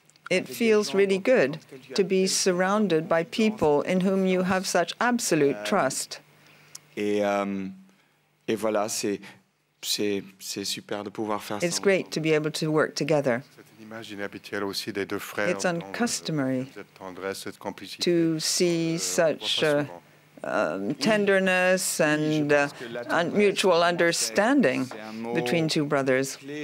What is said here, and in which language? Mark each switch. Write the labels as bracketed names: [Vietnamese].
[English] it feels really good to be surrounded by people in whom you have such absolute trust. [French] Et voilà, c'est super de pouvoir faire ça. [English] It's great to be able to work together. It's uncustomary to see such tenderness and mutual understanding between two brothers.